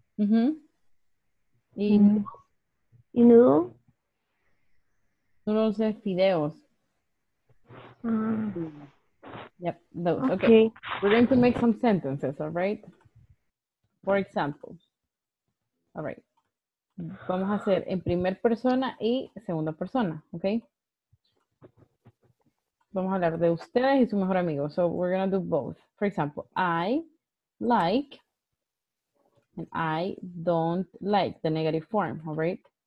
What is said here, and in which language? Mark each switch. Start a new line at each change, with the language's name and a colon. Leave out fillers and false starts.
Spanish: Uh-huh. ¿Y noodle? Noodles es fideos.
English: Yep, those. Okay. We're going to make some sentences, all right? For example. All right.
Spanish: Vamos a hacer en primer persona y segunda persona, okay? Vamos a hablar de ustedes y su mejor amigo.
English: So we're going to do both. For example, I like and I don't like the negative form, all right?